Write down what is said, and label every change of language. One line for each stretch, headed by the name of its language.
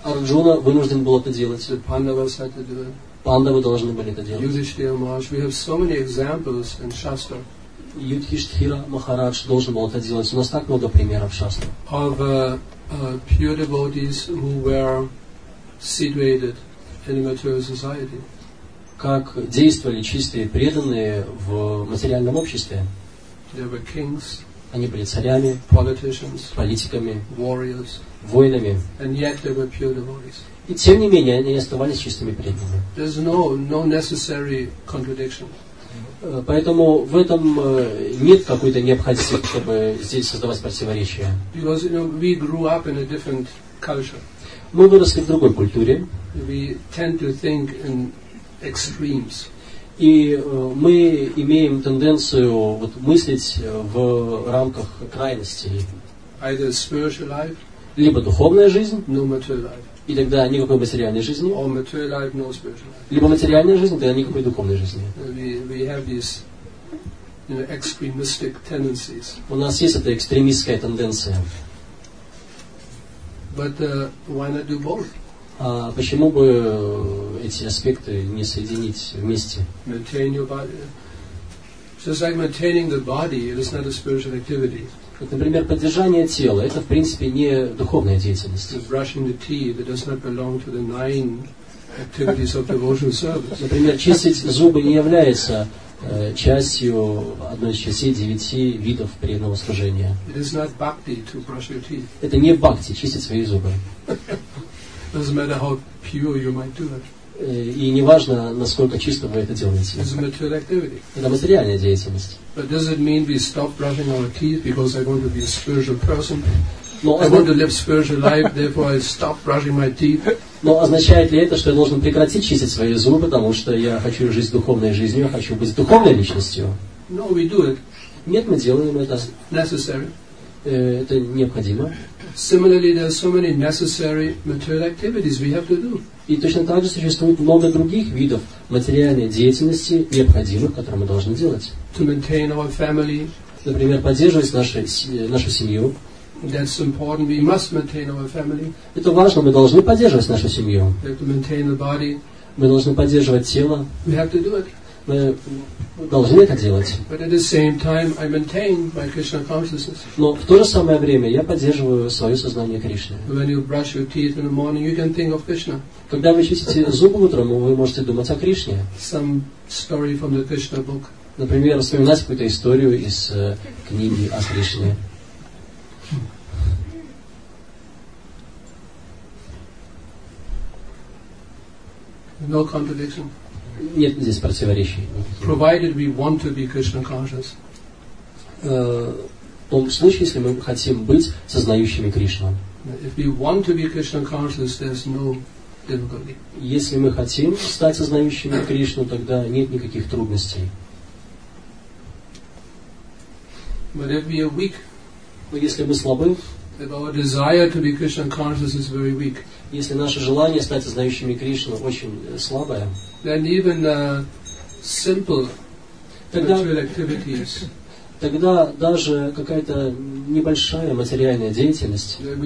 Russian: Арджуна вынужден был это делать.
English: Пандавас had to do it.
Russian: Пандавы должны были это делать.
English: Yudhishthira Maharaj, we have so many examples in Shastra.
Russian: Юдхиштхира Махарадж должен был это делать. У нас так много примеров Шастры.
English: Of pure devotees who were situated in a material society.
Russian: Как действовали чистые преданные в материальном обществе.
English: They were kings,
Russian: они были царями,
English: politicians,
Russian: политиками,
English: warriors,
Russian: воинами.
English: And yet they were pure devotees.
Russian: И тем не менее, они оставались чистыми преданными.
English: There's no necessary contradiction.
Russian: Поэтому в этом нет какой-то необходимости, чтобы здесь создавать противоречия.
English: Because, you know, we grew up in a different culture.
Russian: Мы выросли в другой культуре.
English: We tend to think in extremes.
Russian: И мы имеем тенденцию вот, мыслить в рамках крайностей.
English: Either spiritual life,
Russian: либо духовная жизнь,
English: no material life.
Russian: И тогда никакой материальной жизни.
English: Or material life, no spiritual life.
Russian: Либо материальная жизнь, тогда никакой духовной жизни.
English: We have these, you know, extremistic tendencies.
Russian: У нас есть эта экстремистская тенденция.
English: But why not do both?
Russian: А почему бы эти аспекты не соединить вместе?
English: Maintain your body. Just like maintaining the body, it is not a spiritual activity.
Russian: Вот, например, поддержание тела, это в принципе не духовная деятельность.
English: Brushing the teeth, it does not belong to the nine activities of devotional service.
Russian: Например, чистить зубы не является частью одной из частей девяти видов преданного служения.
English: It is not bhakti to brush your teeth.
Russian: Это не бхакти чистить свои зубы.
English: Doesn't matter how pure you might do it.
Russian: И не важно, насколько чисто вы это делаете.
English: It's a material activity.
Russian: Это материальная деятельность.
English: But does it mean we stop brushing our teeth because I want to be a spiritual person? No, I want to live spiritual life, therefore I stop brushing my teeth.
Russian: Но означает ли это, что я должен прекратить чистить свои зубы, потому что я хочу жить духовной жизнью, я хочу быть духовной личностью?
English: No, we do it.
Russian: Нет, мы делаем это.
English: Necessary.
Russian: Это необходимо.
English: Similarly, there are so many necessary material activities we have to do.
Russian: И точно так же существует много других видов материальной деятельности, необходимых, которые мы должны делать.
English: To maintain our family.
Russian: Например, поддерживать нашу семью.
English: That's important. We must maintain our family.
Russian: Это важно, мы должны поддерживать нашу семью.
English: We have to maintain the body.
Russian: Мы должны поддерживать тело.
English: We have to do it.
Russian: Мы должны это делать.
English: But at the same time, I maintain my Krishna consciousness.
Russian: Но в то же самое время я поддерживаю свое сознание Кришны.
English: When you brush your teeth in the morning, you can think of Krishna.
Russian: Когда вы чистите зубы утром, вы можете думать о Кришне.
English: Some story from the Krishna book.
Russian: Например, вспоминать какую-то историю из книги о Кришне.
English: No contradiction.
Russian: Нет здесь противоречий.
English: Provided we want to be Krishna conscious.
Russian: В том случае, если мы хотим быть сознающими Кришну.
English: If we want to be Krishna conscious, there's no difficulty.
Russian: Если мы хотим стать сознающими Кришну, тогда нет никаких трудностей.
English: But if we are weak.
Russian: Но если мы слабы.
English: If our desire to be Krishna conscious is very weak.
Russian: Если наше желание стать сознающими Кришну очень слабое.
English: Then even simple material activities.
Russian: Тогда даже какая-то небольшая материальная деятельность.